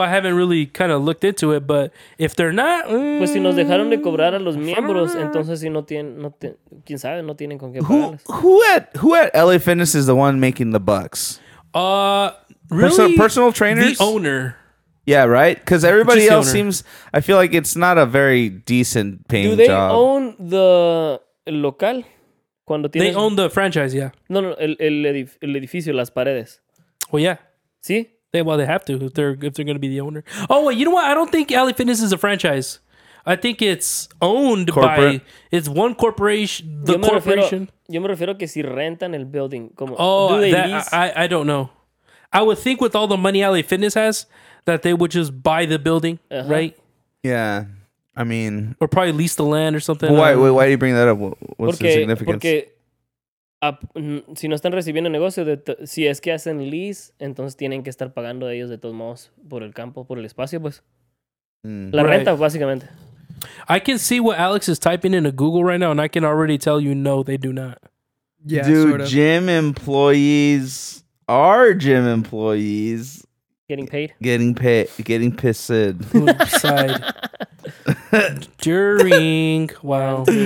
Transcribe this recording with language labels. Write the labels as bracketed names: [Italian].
[English] I haven't really kind of looked into it, but if they're not, [Spanish] pues si nos dejaron de cobrar a los miembros, entonces si quién sabe, no tienen con qué pagarles. [English] Who at LA Fitness is the one making the bucks? Really, personal trainers, the owner. Yeah, right. Because everybody just else seems. I feel like it's not a very decent paying job. Do they job. Own the local? [Spanish] Cuando [English] they own the franchise, yeah. [Spanish] No, el edificio, las paredes. [English] Well, yeah. See? They have to if they're going to be the owner. Oh, wait, you know what? I don't think LA Fitness is a franchise. I think it's owned by... It's one corporation. [Spanish] Yo me refiero que si rentan el building. Como, [English] I don't know. I would think with all the money LA Fitness has that they would just buy the building, uh-huh. Right? Yeah. I mean... Or probably lease the land or something. Why do you bring that up? What's the significance? [Spanish] Si no están recibiendo negocio, si es que hacen lease, entonces tienen que estar pagando ellos de todos modos por el campo, por el espacio, pues. La renta, básicamente. [English] I can see what Alex is typing into Google right now, and I can already tell you no, they do not. Yeah, dude, sort of. Gym employees are gym employees. Getting paid? Getting pissed. Side. During wow.